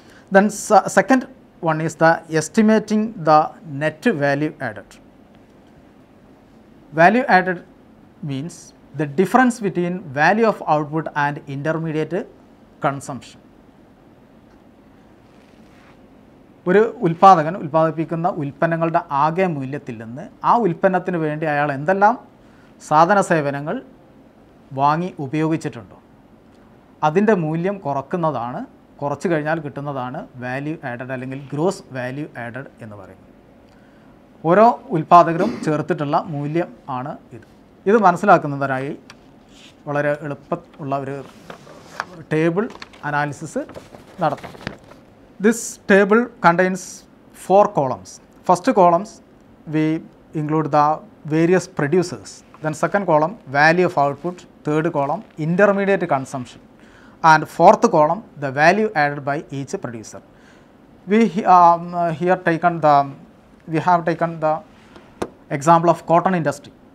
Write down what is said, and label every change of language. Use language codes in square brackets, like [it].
[en] Then second one is the estimating the net value added. Value added means the difference between value of output and intermediate consumption. [ml] ഒരു ഉൽപ്പാദകൻ ഉൽപ്പാദിപ്പിക്കുന്ന ഉൽപ്പന്നങ്ങളുടെ ആകെ മൂല്യത്തിൽ നിന്ന് ആ ഉൽപ്പന്നത്തിന് വേണ്ടി അയാൾ എന്തെല്ലാം സാധന സേവനങ്ങൾ വാങ്ങി ഉപയോഗിച്ചിട്ടുണ്ടോ അതിൻ്റെ മൂല്യം കുറക്കുന്നതാണ്, കുറച്ച് കഴിഞ്ഞാൽ കിട്ടുന്നതാണ് വാല്യൂ ആഡഡ് അല്ലെങ്കിൽ ഗ്രോസ് വാല്യൂ ആഡഡ് എന്ന് പറയുന്നത്. ഓരോ ഉൽപ്പാദകരും ചേർത്തിട്ടുള്ള മൂല്യം ആണ് ഇത്. ഇത് മനസ്സിലാക്കുന്നതിനായി വളരെ എളുപ്പമുള്ള ഒരു ടേബിൾ അനാലിസിസ് നടത്താം. [en] This table contains four columns. First columns, we include the various producers. Then second column, value of output. Third column, intermediate consumption. And fourth column, the value added by each producer. We have taken the example of cotton industry.